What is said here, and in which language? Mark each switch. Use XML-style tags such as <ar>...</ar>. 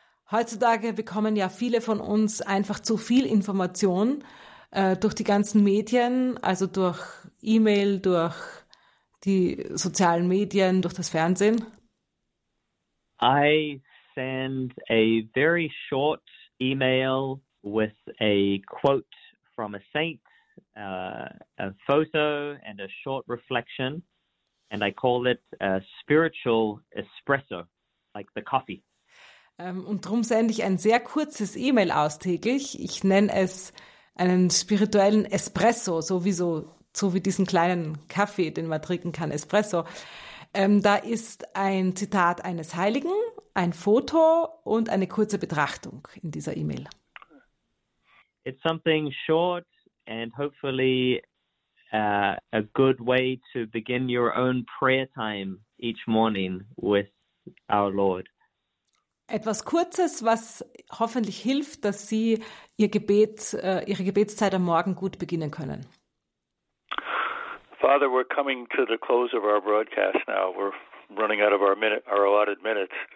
<de>Heutzutage bekommen ja viele von uns einfach zu viel Information durch die ganzen Medien, also durch E-Mail, durch die sozialen Medien, durch das Fernsehen.</de> <en>I send a very short email with a quote from a saint, a photo and a short reflection, and I call it a spiritual espresso, like the coffee.</en> <de>Und darum sende ich ein sehr kurzes E-Mail aus täglich. Ich nenne es einen spirituellen Espresso, so wie diesen kleinen Kaffee, den man trinken kann, Espresso. Da ist ein Zitat eines Heiligen, ein Foto und eine kurze Betrachtung in dieser E-Mail.</de> <en>It's something short and hopefully a good way to begin your own prayer time each morning with our Lord.</en> <de>Etwas Kurzes, was hoffentlich hilft, dass Sie Ihre Gebetszeit am Morgen gut beginnen können.</de> <en>Father, we're coming to the close of our broadcast now. We're running out of our allotted minutes.</en>